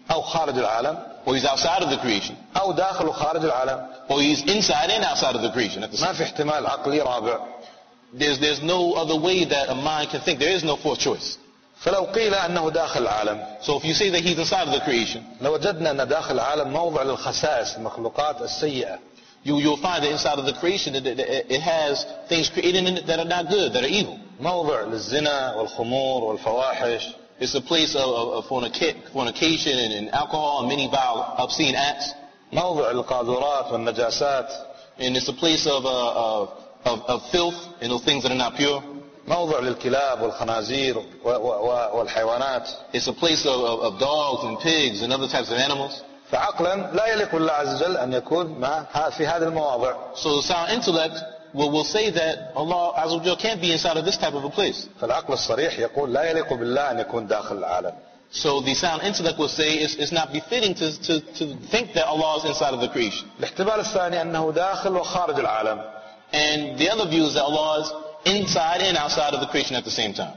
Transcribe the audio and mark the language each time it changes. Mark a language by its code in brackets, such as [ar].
[ar] أو خارج العالم. [en] Or he's outside of the creation. [ar] أو داخل وخارج العالم. [en] Or he's inside and outside of the creation. [ar] ما في احتمال عقلي رابع. [en] There's no other way that a mind can think. There is no fourth choice. [ar] فلو قيل أنه داخل العالم. [en] So if you say that he's inside of the creation. [ar] لوجدنا أن داخل العالم موضع للخسائس المخلوقات السيئة. [en] You'll find that inside of the creation that it has things created in it that are not good, that are evil. [ar] موضع للزنا والخمور والفواحش. [en] It's a place of fornication and alcohol and many vile obscene acts. [ar] موضع للقاذورات والنجاسات. [en] And it's a place of filth and of things that are not pure. [ar] موضع للكلاب والخنازير والحيوانات. [en] It's a place of dogs and pigs and other types of animals. [ar] فعقلا لا يليق لله عز وجل أن يكون مع في هذه المواضع. [en] So sound intellect will say that Allah [ar] عز وجل [en] can't be inside of this type of a place. [ar] فالعقل الصريح يقول لا يليق بالله أن يكون داخل العالم. [en] So the sound intellect will say it's not befitting to think that Allah is inside of the creation. [ar] الاحتمال الثاني أنه داخل وخارج العالم. [en] And the other view is that Allah is inside and outside of the creation at the same time.